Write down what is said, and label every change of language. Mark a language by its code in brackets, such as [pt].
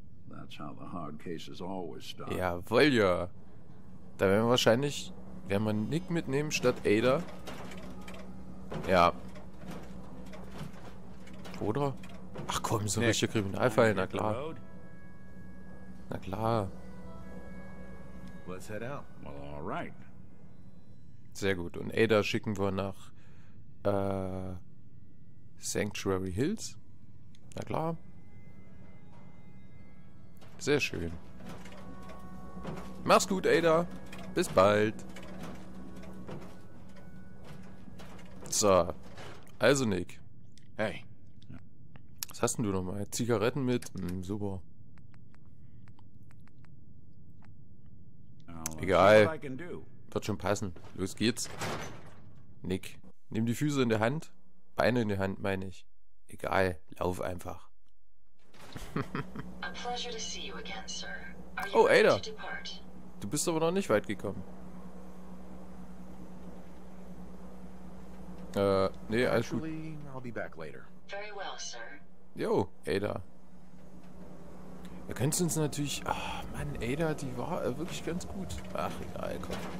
[en] That's how the hard cases always start. [de] Jawohl, ja. Da werden wir wahrscheinlich, werden wir Nick mitnehmen statt Ada. Ja. Oder? Ach komm, so ein richtiger Kriminalfall, na klar. Na klar. [en] Let's head out. Well, all right. [de] Sehr gut. Und Ada schicken wir nach Sanctuary Hills. Na klar. Sehr schön. Mach's gut, Ada. Bis bald. So. Also, Nick. Hey. Was hast denn du nochmal? Zigaretten mit? Super. Egal. Wird schon passen. Los geht's. Nick. Nimm die Füße in die Hand. Beine in die Hand, meine ich. Egal. Lauf einfach. [en] A pleasure to see you again, sir. Are you ready to depart? [de] Du bist aber noch nicht weit gekommen. Nee, alles gut. [en] I'll be back later. Very well, sir. [de] Jo, Ada. Da könntest du uns natürlich... Ach, Mann, Ada, die war wirklich ganz gut. Ach, egal, komm.